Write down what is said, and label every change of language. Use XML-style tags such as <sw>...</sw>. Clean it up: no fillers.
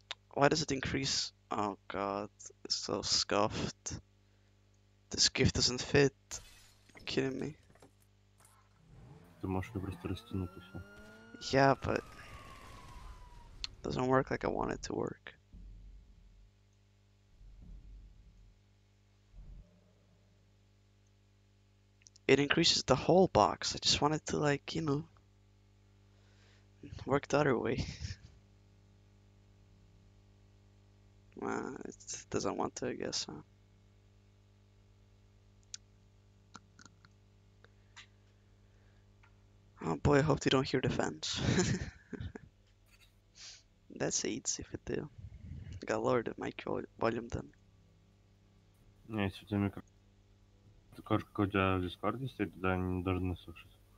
<en>Why does it increase? Oh god, it's so scuffed. This gift doesn't fit. Are you kidding me?</en> <ru>Ты можешь ее просто растянуть и все.</ru> <en>Yeah, but doesn't work like I want it to work. It increases the whole box. I just want it to, like, you know, work the other way. Well, it doesn't want to, I guess, huh? Oh boy, I hope they don't hear the fans. That's AIDS if it do. Got lowered the mic volume then.</en> <ru>Не, если у тебя микрофон, такой же, как у тебя в Discord есть, тогда они не должны слушать.</ru>